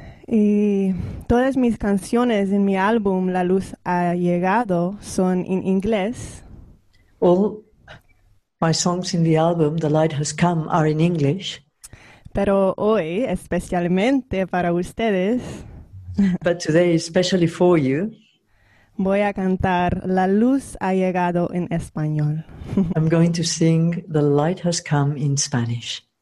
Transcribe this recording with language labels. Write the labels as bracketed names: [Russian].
[Spanish] Y todas mis canciones en mi álbum La Luz Ha Llegado son en inglés. [English] My songs in the album The Light Has Come are in English. [Spanish] Pero hoy, especialmente para ustedes, [English] but today especially for you, [Spanish] voy a cantar La Luz Ha Llegado en español. [English] I'm going to sing The Light Has Come in Spanish.